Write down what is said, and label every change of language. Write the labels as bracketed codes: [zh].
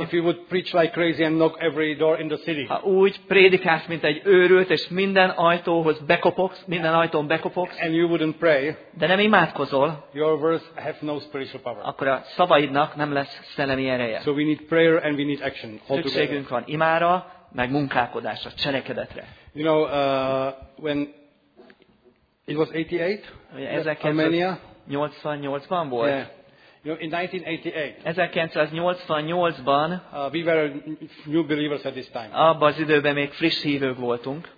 [en] if you would preach like crazy and knock every door in the city, [hu] ha úgy prédikálsz, mint egy őrült, és minden ajtóhoz bekopogsz, minden ajtón bekopogsz, [en] and you wouldn't pray, [hu] de nem imádkozol, [en] your words have no spiritual power. [hu] Akkor a szavaidnak nem lesz szellemi ereje. [en] So we need prayer and we need action. [hu] Szükségünk van imára, meg munkálkodásra, cselekedetre. [en] You know, when it was 88, Armenia. [hu] 88-ban volt. [en] Yeah. You know, in 1988. [hu] 1988-ban. [en] We were new believers at this time. [hu] Abban az időben még friss hívők voltunk.